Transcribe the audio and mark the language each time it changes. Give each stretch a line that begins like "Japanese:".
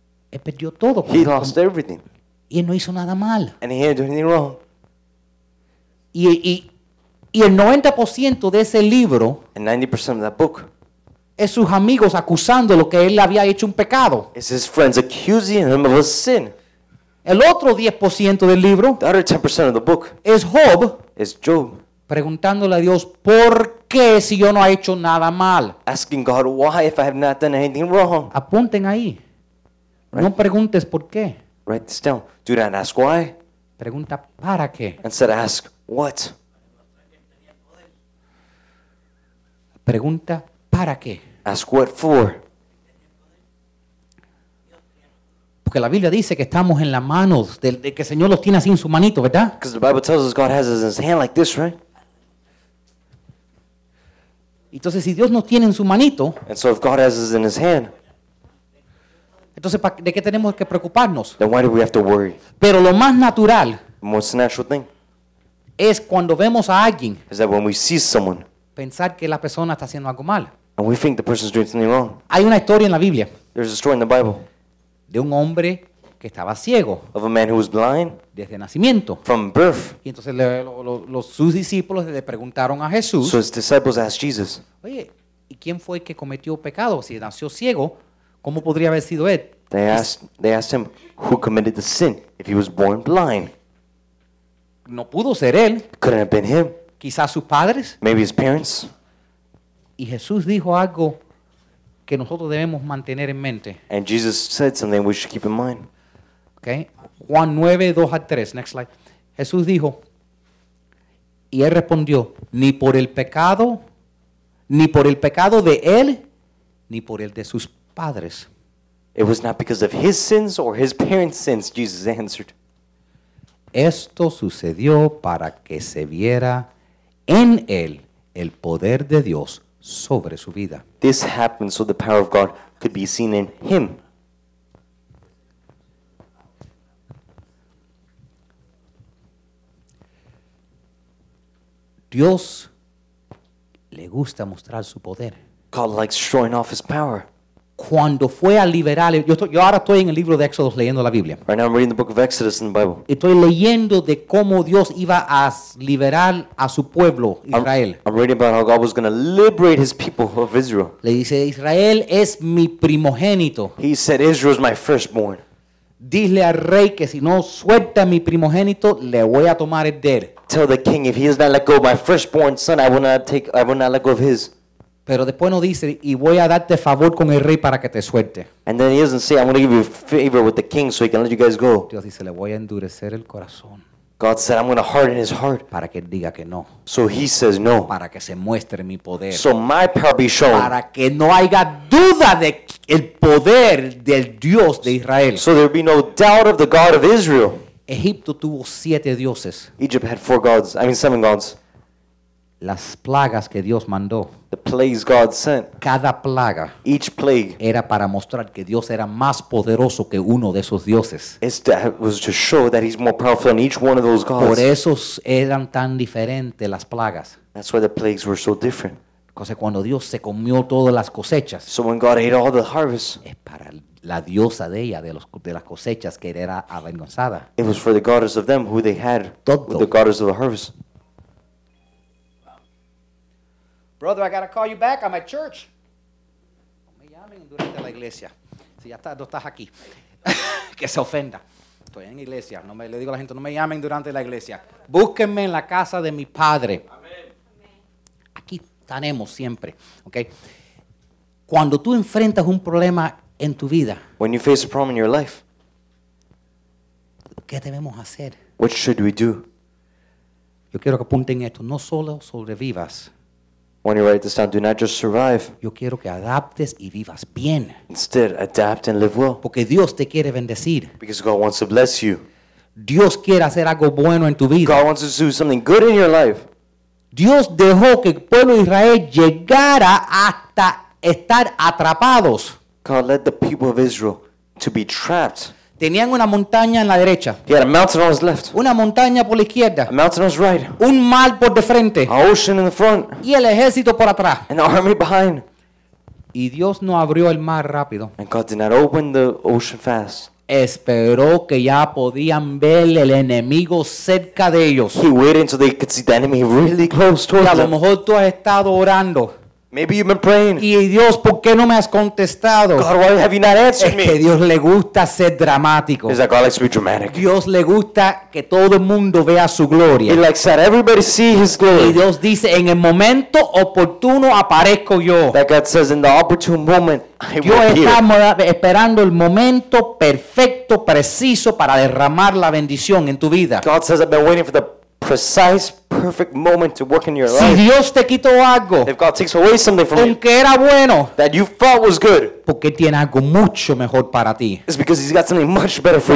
Spanish: Él perdió todo.
English: He lost everything.
Spanish: Y él no hizo nada mal.
English: And he didn't do anything wrong.
Spanish: Y el 90% de ese libro.
English: And 90% of that book.
Spanish: Es sus amigos acusando lo que él había hecho un pecado.
English: It's his friends accusing him of a sin.
Spanish: El otro 10% del libro.
English: The other 10% of the book.
Spanish: Es Job.
English: Is Job.
Spanish: preguntándole a Dios, ¿por qué si yo no he hecho nada mal?
English: Asking God, why if I have not done anything wrong?
Spanish: Apunten ahí. Right. No preguntes por qué.
English: Write this down. Do not ask why.
Spanish: Pregunta para qué.
English: Instead ask what.
Spanish: Pregunta para qué.
English: Ask what for.
Spanish: Porque la Biblia dice que estamos en las manos de que el Señor los tiene así en su manito, ¿verdad?
English: Because the Bible tells us God has us in his hand like this, right?
Spanish: Entonces, si Dios nos tiene en su manito,
English: and so if God has us in his hand,
Spanish: entonces, ¿de qué tenemos que preocuparnos?
English: Then why do we have to worry?
Spanish: Pero lo más natural,
English: the most natural thing,
Spanish: es cuando vemos a alguien,
English: is that when we see someone,
Spanish: pensar que la persona está haciendo algo mal.
English: And we think the person is doing something wrong.
Spanish: Hay una historia en la Biblia.
English: There's a story in the Bible.
Spanish: De un hombre que estaba ciego.
English: Of a man who was blind.
Spanish: Desde nacimiento.
English: From birth.
Spanish: Y entonces sus discípulos le preguntaron a Jesús.
English: So his disciples asked Jesus.
Spanish: Oye, ¿y quién fue el que cometió pecado? Si nació ciego, ¿cómo podría haber sido él?
English: They asked him, who committed the sin if he was born blind?
Spanish: No pudo ser él.
English: Couldn't have been him.
Spanish: Quizás sus padres.
English: Maybe his parents.
Spanish: Y Jesús dijo algo que nosotros debemos mantener en mente.
English: And Jesus said something we should keep in mind.
Spanish: Okay. Juan 9, 2 al 3.
English: Next slide.
Spanish: Jesús dijo, y él respondió, ni por el pecado de él, ni por el de sus padres.
English: It was not because of his sins or his parents' sins, Jesus answered.
Spanish: Esto sucedió para que se viera en él el poder de Dios sobre su vida.
English: This happened so the power of God could be seen in him.
Spanish: Dios le gusta mostrar su poder.
English: God likes showing off his power.
Spanish: Cuando fue a liberar, yo ahora estoy en el libro de Éxodos leyendo la Biblia.
English: Right now I'm reading the book of Exodus in the Bible.
Spanish: Estoy leyendo de cómo Dios iba a liberar a su pueblo, Israel.
English: I'm reading about how God was going to liberate his people of Israel.
Spanish: Le dice, Israel es mi primogénito.
English: He said, Israel is my firstborn.
Spanish: Dile al rey que si no suelta mi primogénito, le voy a tomar el de él.
English: Tell the king, if he does not let go of my firstborn son, I will not let go of his.
Spanish: Pero después no dice, y voy a darte favor con el rey para que te suelte.
English: And then he doesn't say, I'm going to give you favor with the king so he can let you guys go.
Spanish: Dios dice, le voy a endurecer el corazón.
English: God said, I'm going to harden his heart.
Spanish: Para que diga que no.
English: So he says no.
Spanish: Para que se muestre mi poder.
English: So my power be shown.
Spanish: Para que no haya duda de el poder del Dios de Israel.
English: So there be no doubt of the God of Israel.
Spanish: Egipto tuvo siete dioses.
English: Egypt had seven gods.
Spanish: Las plagas que Dios mandó.
English: The plagues God sent.
Spanish: Cada plaga.
English: Each plague.
Spanish: Era para mostrar que Dios era más poderoso que uno de esos dioses.
English: It was to show that he's more powerful than each one of those gods.
Spanish: Por eso eran tan diferentes las plagas.
English: That's why the plagues were so different.
Spanish: Porque cuando Dios se comió todas las cosechas.
English: So when God ate all the harvest.
Spanish: Es para la diosa de ella, de las cosechas, que era avergonzada.
English: It was for the goddess of them who they had.
Spanish: Todo.
English: The goddess of the harvest. Brother, I gotta call you back. I'm at church.
Spanish: No me llamen durante la iglesia. Si ya no estás aquí, que se ofenda. Estoy en iglesia. No me le digo a la gente, no me llamen durante la iglesia. Búsquenme en la casa de mi padre. Amén. Aquí tenemos siempre, ¿okay? Cuando tú enfrentas un problema en tu vida,
English: when you face a problem in your life,
Spanish: ¿qué debemos hacer?
English: What should we do?
Spanish: Yo quiero que apunten esto. No solo sobrevivas.
English: When you write this down, do not just survive.
Spanish: Yo quiero que adaptes y vivas bien.
English: Instead, adapt and live well.
Spanish: Porque Dios te quiere bendecir.
English: Because God wants to bless you.
Spanish: Dios quiere hacer algo bueno en tu vida.
English: God wants to do something good in your life.
Spanish: Dios dejó que el pueblo de Israel llegara hasta estar atrapados.
English: God let the people of Israel to be trapped.
Spanish: Tenían una montaña en la derecha.
English: He had a mountain on his left.
Spanish: Una montaña por la izquierda.
English: A mountain on his right.
Spanish: Un mar por de frente.
English: A ocean in the front.
Spanish: Y el ejército por atrás.
English: An army behind.
Spanish: Y Dios no abrió el mar rápido.
English: And God did not open the ocean fast.
Spanish: Esperó que ya podían ver el enemigo cerca de ellos.
English: He waited until they could see the enemy really close towards them.
Spanish: Y a lo mejor tú has estado orando.
English: Maybe you've been praying.
Spanish: Y Dios, ¿por qué no me has contestado?
English: God, why have you not answered
Spanish: me? Es que Dios le gusta ser dramático.
English: Is that God likes to be dramatic?
Spanish: Dios le gusta que todo el mundo vea su gloria.
English: He likes that everybody see his glory.
Spanish: Y Dios dice, en el momento oportuno aparezco yo.
English: That God says, in the opportune moment,
Spanish: Dios está esperando el momento perfecto, preciso para derramar la bendición en tu vida.
English: God says, I've been waiting for the precise, perfect moment to work in your
Spanish: si
English: life.
Spanish: Dios te quitó algo,
English: if God takes away something from
Spanish: aunque era bueno,
English: that you thought was good,
Spanish: porque tiene algo mucho mejor para ti.
English: It's because he's got something much better for